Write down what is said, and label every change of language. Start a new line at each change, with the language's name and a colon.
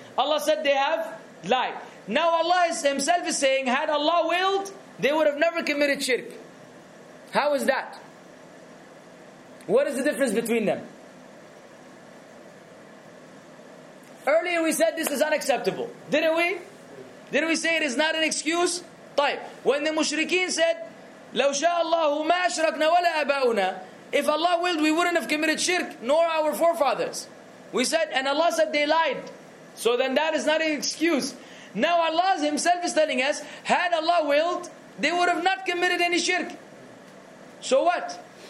English: Allah said they have lied. Now Allah is Himself is saying, had Allah willed, they would have never committed shirk. How is that? What is the difference between them? Earlier we said this is unacceptable. Didn't we? Didn't we say it is not an excuse?
Arabic: طيب.
English: When the mushrikeen said,
Arabic: لو شاء الله ما أشركنا ولا أباؤنا.
English: If Allah willed, we wouldn't have committed shirk, nor our forefathers. We said, and Allah said they lied. So then that is not an excuse. Now Allah Himself is telling us, had Allah willed, they would have not committed any shirk. So what?